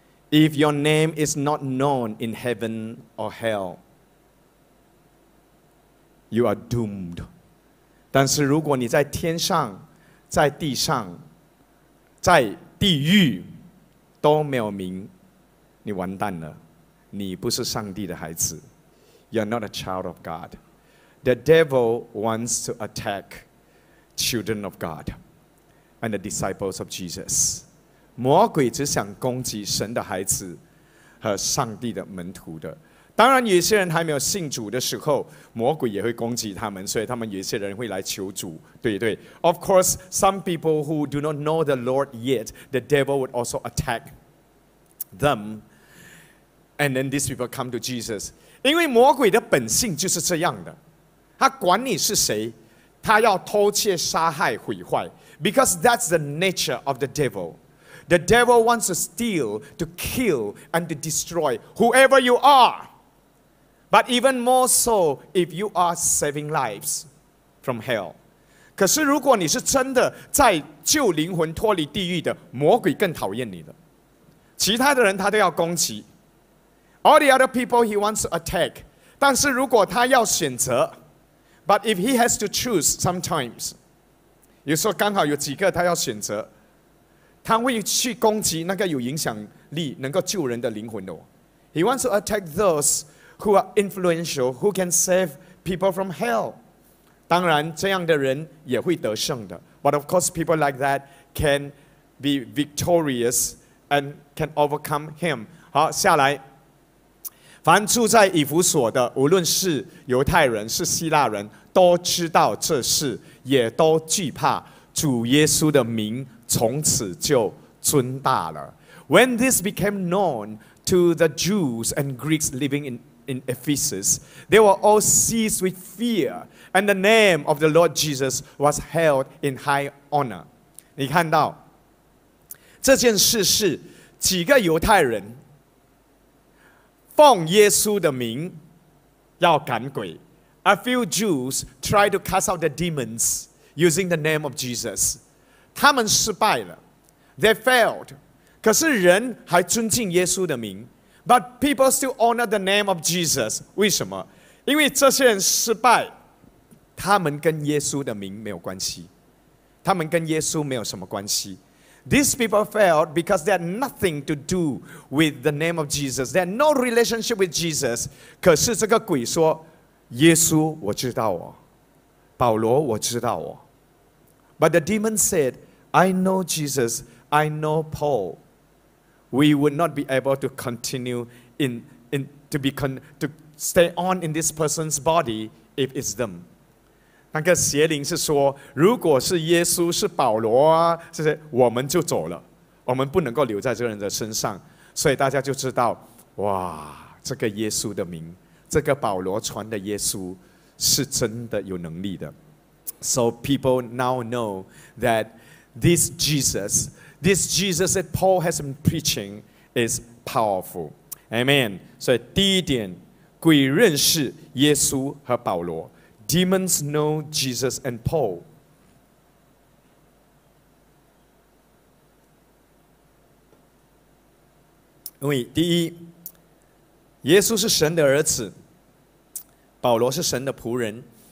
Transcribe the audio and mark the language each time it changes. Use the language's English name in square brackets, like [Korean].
[English] If your name is not known in heaven or hell, you are doomed. [Chinese] 但是如果你在天上、在地上、在地狱都没有名，你完蛋了，你不是上帝的孩子。 [English] You're not a child of God. The devil wants to attack children of God and the disciples of Jesus. [Chinese] 魔鬼只想攻击神的孩子和上帝的门徒的。当然，有些人还没有信主的时候，魔鬼也会攻击他们，所以他们有些人会来求主，对不对？ [English] Of course, some people who do not know the Lord yet, the devil would also attack them. And then these people come to Jesus. [Chinese] 因为魔鬼的本性就是这样的，他管你是谁，他要偷窃、杀害、毁坏。 [English] Because that's the nature of the devil. The devil wants to steal, to kill, and to destroy whoever you are. But even more so if you are saving lives from hell. [Chinese] 可是如果你是真的在救灵魂脱离地狱的，魔鬼更讨厌你的。其他的人他都要攻击。 [English] All the other people he wants to attack. [Chinese] 但是如果他要选择 [English] But if he has to choose sometimes, [Chinese] 有时候刚好有几个他要选择，他会去攻击那个有影响力能够救人的灵魂的。 [English] He wants to attack those who are influential, who can save people from hell. [Chinese] 当然这样的人也会得胜的。 [English] But of course people like that can be victorious and can overcome him. [Chinese] 好，下来。凡住在以弗所的，无论是犹太人是希腊人，都知道这事，也都惧怕。主耶稣的名从此就尊大了。 [English] When this became known to the Jews and Greeks living in Ephesus, they were all seized with fear, and the name of the Lord Jesus was held in high honor. [Chinese] 你看到这件事是几个犹太人。奉耶稣的名要赶鬼。 [English] A few Jews tried to cast out the demons using the name of Jesus. [Chinese] 他们失败了。 [English] They failed. [Chinese] 可是人还尊敬耶稣的名。 [English] But people still honor the name of Jesus. [Chinese] 为什么？因为这些人失败，他们跟耶稣的名没有关系。他们跟耶稣没有什么关系。 [English] These people failed because they had nothing to do with the name of Jesus. They had no relationship with Jesus. [Chinese] 可是这个鬼说，耶稣我知道哦，保罗我知道哦。 [English] But the demon said, I know Jesus, I know Paul. We would not be able to continue to stay on in this person's body if it's them. [Chinese] 那个邪灵是说，如果是耶稣是保罗啊，这些我们就走了，我们不能够留在这个人的身上。所以大家就知道，哇，这个耶稣的名，这个保罗传的耶稣是真的有能力的。 [English] So people now know that this Jesus that Paul has been preaching is powerful. Amen. [Chinese] 所以第一点，鬼认识耶稣和保罗。 [English] Demons know Jesus and Paul. [Chinese] 因为第一，耶稣是神的儿子，保罗是神的仆人。